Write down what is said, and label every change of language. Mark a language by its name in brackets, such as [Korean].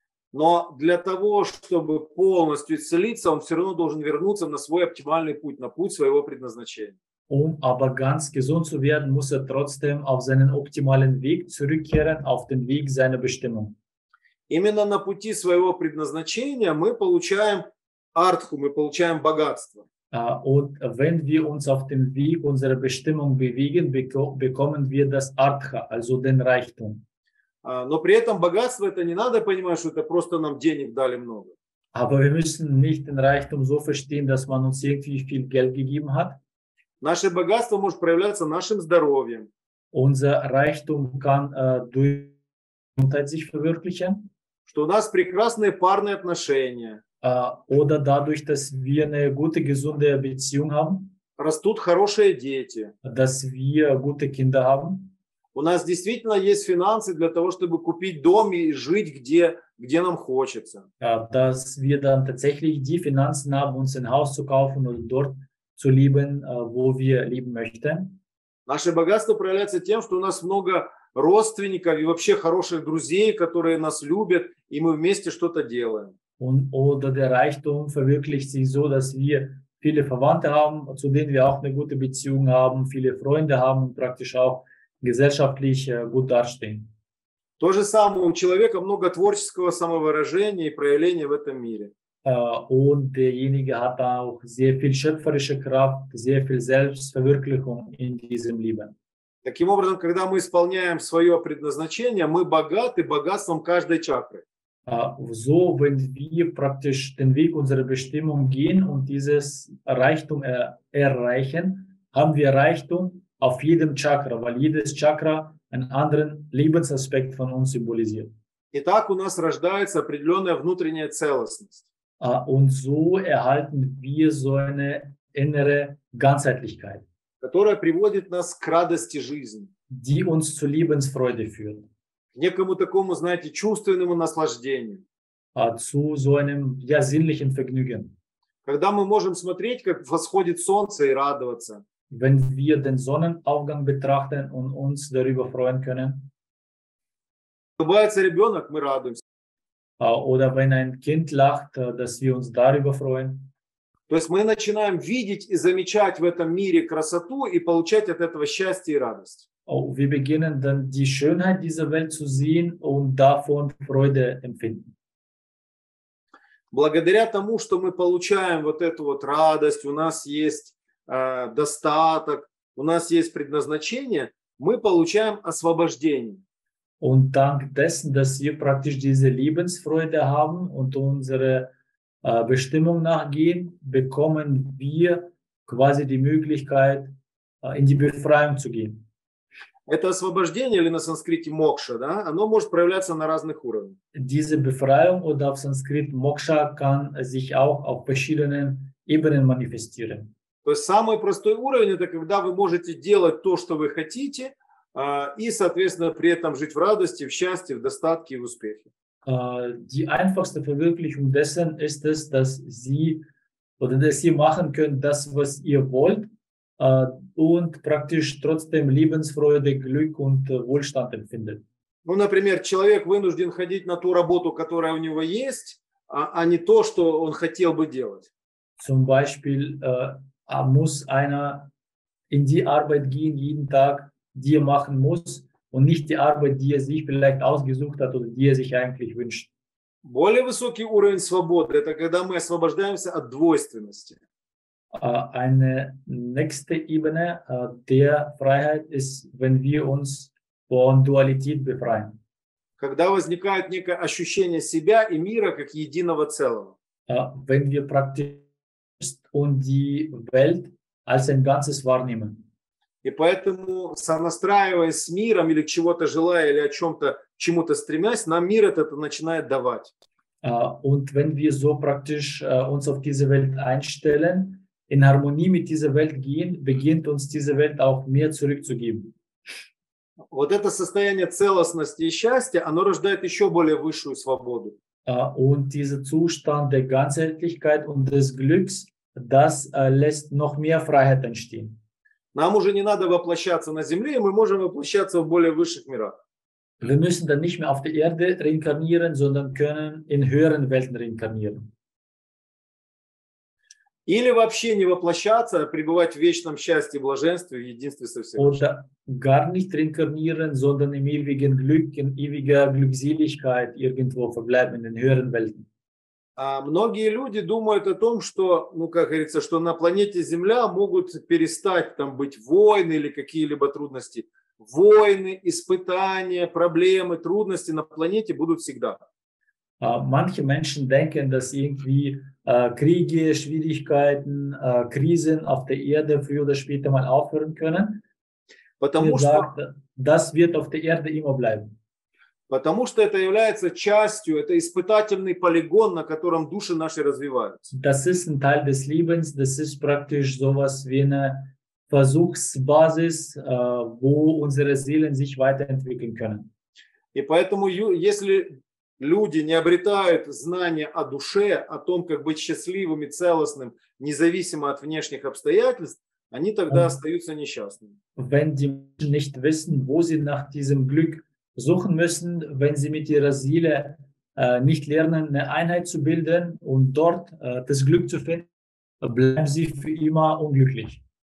[Russian] Но для того, чтобы полностью исцелиться, он все равно должен вернуться на свой оптимальный путь, на путь своего предназначения. [German] Um aber ganz gesund zu werden, muss er trotzdem auf seinen optimalen Weg zurückkehren, auf den Weg seiner Bestimmung. [Russian] Именно на пути своего предназначения мы получаем артху, мы получаем богатство. [German] Und wenn wir uns auf dem Weg unserer Bestimmung bewegen, bekommen wir das Artha, also den Reichtum. [Russian] Но при этом богатство это не надо понимать, что это просто нам денег дали много. [German] Aber wir müssen nicht den Reichtum so verstehen, dass man uns irgendwie viel Geld gegeben hat. [Russian] Наше богатство может проявляться нашим здоровьем. [German] Unser Reichtum kann durch Gesundheit sich verwirklichen. [Russian] Что у нас прекрасные парные отношения. [German] Oder dadurch, dass wir eine gute, gesunde Beziehung haben. [Russian] Растут хорошие дети. [German] Dass wir gute Kinder haben. [Russian] У нас действительно есть финансы для того, чтобы купить дом и жить где, где нам хочется. [German] Dass wir dann tatsächlich die Finanzen haben, uns ein Haus zu kaufen und dort zu leben, wo wir leben möchten. [Russian] Наше богатство проявляется тем, что у нас много родственников и вообще хороших друзей, которые нас любят, и мы вместе что-то делаем. [German] Und oder der Reichtum verwirklicht sich so, dass wir viele Verwandte haben, zu denen wir auch eine gute Beziehung haben, viele Freunde haben und praktisch auch gesellschaftlich gut dastehen. [Russian] То же самое, у человека много творческого самовыражения и проявления в этом мире. [German] Und derjenige hat auch sehr viel schöpferische Kraft, sehr viel Selbstverwirklichung in diesem Leben. [Russian] Таким образом, когда мы исполняем свое предназначение, мы богаты богатством каждой чакры. [German] So, wenn wir praktisch den Weg unserer Bestimmung gehen und dieses Reichtum erreichen, haben wir Reichtum auf jedem Chakra, weil jedes Chakra einen anderen Lebensaspekt von uns symbolisiert. [Russian] Итак, у нас рождается определенная внутренняя целостность. [German] Und so erhalten wir so eine innere Ganzheitlichkeit, [Russian] которая приводит нас к радости жизни, [German] die uns zu Lebensfreude führt. [Russian] К некому такому, знаете, чувственному наслаждению. [German] Zu so einem, ja, sinnlichen Vergnügen. [Russian] Когда мы можем смотреть, как восходит солнце и радоваться. [German] Wenn wir den Sonnenaufgang betrachten und uns darüber freuen können. [Russian] Улыбается ребенок, мы радуемся. [German] Oder wenn ein Kind lacht, dass wir uns darüber freuen. [Russian] То есть мы начинаем видеть и замечать в этом мире красоту и получать от этого счастье и радость. [German] Wir beginnen dann die Schönheit dieser Welt zu sehen und davon Freude empfinden. [Russian] Благодаря тому, что мы получаем вот эту вот радость, у нас есть достаток, у нас есть предназначение, мы получаем освобождение. [German] Und dank dessen, dass wir praktisch diese Lebensfreude haben und unsere Bestimmung nachgehen, bekommen wir quasi die Möglichkeit, in die Befreiung zu gehen. [Russian] Это освобождение или на санскрите мокша, да? Оно может проявляться на разных уровнях. [German] Diese Befreiung oder auf Sanskrit Moksha kann sich auch auf verschiedenen Ebenen manifestieren. [Russian] То есть самый простой уровень – это когда вы можете делать то, что вы хотите, и, соответственно, при этом жить в радости, в счастье, в достатке и в успехе. [German] Die einfachste Verwirklichung dessen ist es, dass Sie oder dass Sie machen können, das, was ihr wollt, und praktisch trotzdem Lebensfreude, Glück und Wohlstand empfinden. [Russian] Ну, например, человек вынужден ходить на ту работу, которая у него есть, а не то, что он хотел бы делать. [German] Zum Beispiel muss einer in die Arbeit gehen jeden Tag, die er machen muss, und nicht die Arbeit, die er sich vielleicht ausgesucht hat oder die er sich eigentlich wünscht. [Russian] Более высокий уровень свободы – это когда мы освобождаемся от двойственности. [German] Eine nächste Ebene der Freiheit ist, wenn wir uns von Dualität befreien. [Russian] Когда возникает некое ощущение себя и мира как единого целого. [German] Wenn wir praktisch und die Welt als ein Ganzes wahrnehmen. [Russian] И поэтому, сонастраиваясь с миром или чего-то желая, или о чем-то, чему-то стремясь, нам мир это начинает давать. [German] Und wenn wir so praktisch uns auf diese Welt einstellen, in Harmonie mit dieser Welt gehen, beginnt uns diese Welt auch mehr zurückzugeben. [Russian] Вот это состояние целостности и счастья, оно рождает еще более высшую свободу. [German] Und dieser Zustand der Ganzheitlichkeit und des Glücks, das lässt noch mehr Freiheit entstehen. [Russian] Нам уже не надо воплощаться на Земле, мы можем воплощаться в более высших мирах. Мы [German] müssen dann nicht mehr auf der Erde reinkarnieren, sondern können in höheren Welten reinkarnieren. [Russian] Или вообще не воплощаться, а пребывать в вечном счастье и блаженстве, в единстве со всем. [German] Oder gar nicht reinkarnieren, sondern im ewigen Glück, in ewiger Glückseligkeit irgendwo verbleiben in den höheren Welten. [Russian] Многие люди думают о том, что, ну, как говорится, что на планете Земля могут перестать там быть войны или какие-либо трудности. Войны, испытания, проблемы, трудности на планете будут всегда. [German] Manche Menschen denken, dass irgendwie Kriege, Schwierigkeiten, Krisen auf der Erde früher oder später mal aufhören können. [Russian] Потому что [German] das wird auf der Erde immer bleiben. [Russian] Потому что это является частью, это испытательный полигон, на котором души наши развиваются. [German] Das ist ein Teil des Lebens, das ist praktisch sowas wie eine Versuchsbasis, wo unsere Seelen sich weiterentwickeln können. [Russian] И поэтому, если люди не обретают знания о душе, о том, как быть счастливым и целостным, независимо от внешних обстоятельств, они тогда остаются несчастными. [German] Wenn die Menschen nicht wissen, wo sie nach diesem Glück suchen müssen, wenn sie mit ihrer Seele nicht lernen, eine Einheit zu bilden und dort das Glück zu finden, bleiben sie für immer unglücklich.